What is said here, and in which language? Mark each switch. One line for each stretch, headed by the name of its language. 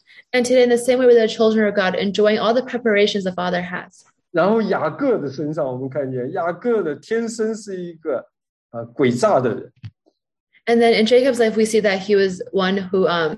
English: And today, in the same way with the children of God, enjoying all the preparations the father has.
Chinese: 然后雅各的身上，我们看见雅各的天生是一个诡诈的人。
English: And then in Jacob's life, we see that he was one who